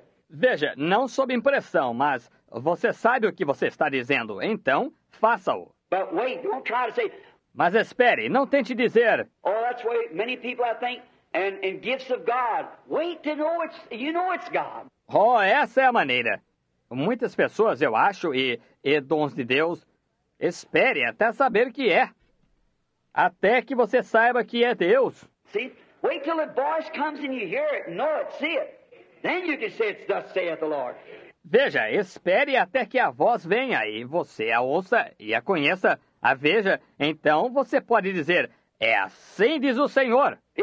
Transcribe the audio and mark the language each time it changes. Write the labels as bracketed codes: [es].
[pt] Veja, não sob impressão, mas você sabe o que você está dizendo, então faça-o. [en] But wait, don't try to say, [pt] mas espere, não tente dizer. [en] Oh, that's what many people I think, and gifts of God. Wait to know it's, you know it's God. [pt] Oh, essa é a maneira. Muitas pessoas, eu acho, e dons de Deus, espere até saber que é. Até que você saiba que é Deus. [en] See, wait till the voice comes and you hear it, know it, see it. Then you can say it's thus saith the Lord. [pt] Veja, espere até que a voz venha e você a ouça e a conheça, a veja. Então você pode dizer, é assim diz o Senhor.